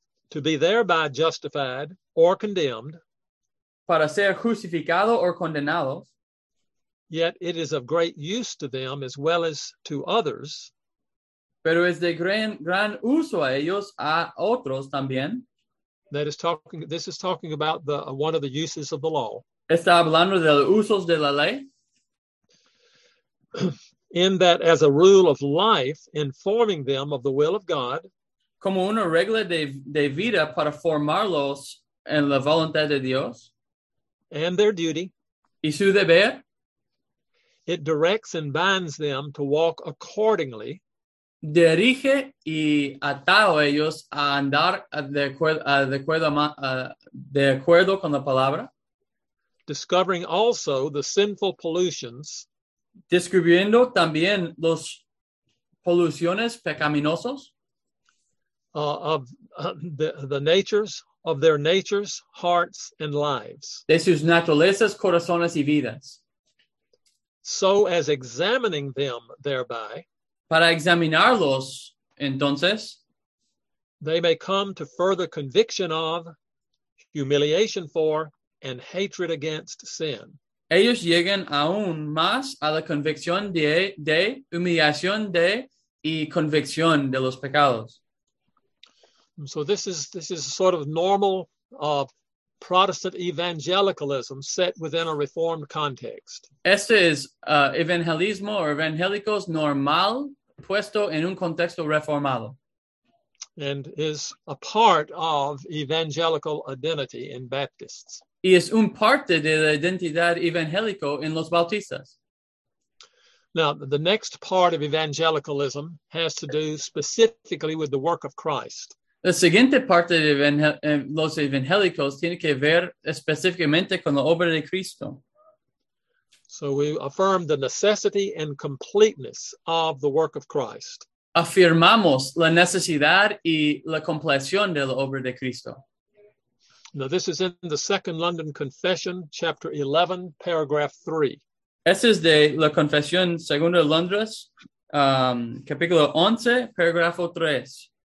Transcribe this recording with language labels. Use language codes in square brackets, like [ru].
[en] To be thereby justified or condemned. [es] Para ser justificado o condenado. [en] Yet it is of great use to them as well as to others. [es] Pero es de gran uso a ellos, a otros también. [en] This is talking about one of the uses of the law. [es] Está hablando de los usos de la ley. [en] In that as a rule of life, informing them of the will of God. [es] Como una regla de vida para formarlos en la voluntad de Dios. [en] And their duty. [es] Y su deber. [en] It directs and binds them to walk accordingly. [es] Dirige y atado ellos a andar de acuerdo con la palabra. [en] Discovering also the sinful pollutions. [es] Descubriendo también los poluciones pecaminosos. [en] Of the natures of their natures, hearts, and lives. [es] De sus naturalezas, corazones y vidas. [en] So as examining them thereby. [es] Para examinarlos, entonces, [en] they may come to further conviction of, humiliation for, and hatred against sin. [es] Ellos llegan aún más a la convicción de humillación de y convicción de los pecados. [en] So this is sort of normal Protestant evangelicalism set within a Reformed context. [es] Este es evangelismo o evangélicos normal. Puesto en un contexto reformado. [en] And is a part of evangelical identity in Baptists. [es] Y es un parte de la identidad evangélico en los bautistas. [en] Now, the next part of evangelicalism has to do specifically with the work of Christ. [es] La siguiente parte de los evangélicos tiene que ver específicamente con la obra de Cristo. [en] So we affirm the necessity and completeness of the work of Christ. [es] Afirmamos la necesidad y la completión de la obra de Cristo. [en] Now this is in the Second London Confession, chapter 11, paragraph 3. [es] Este es de la Confesión Segunda de Londres, capítulo 11, paragrafo 3.